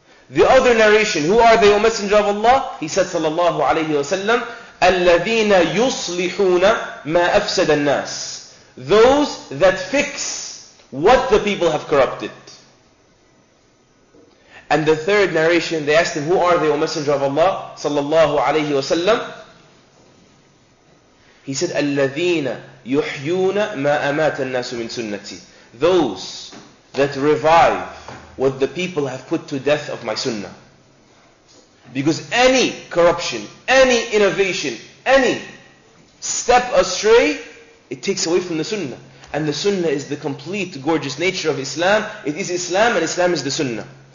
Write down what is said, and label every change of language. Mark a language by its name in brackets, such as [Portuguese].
[English] The other narration, who are they, O Messenger of Allah? He said, sallallahu alayhi wa sallam, [Arabic] الَّذِينَ يُصْلِحُونَ مَا أَفْسَدَ النَّاسِ. [English] Those that fix what the people have corrupted. And the third narration, they asked him, who are they, O Messenger of Allah, sallallahu alayhi wa sallam? He said, [Arabic] الَّذِينَ يُحْيُونَ مَا أَمَاتَ النَّاسُ مِنْ سُنَّتِي. [English] Those that revive what the people have put to death of my sunnah. Because any corruption, any innovation, any step astray, it takes away from the sunnah. And the sunnah is the complete, gorgeous nature of Islam. It is Islam, and Islam is the sunnah.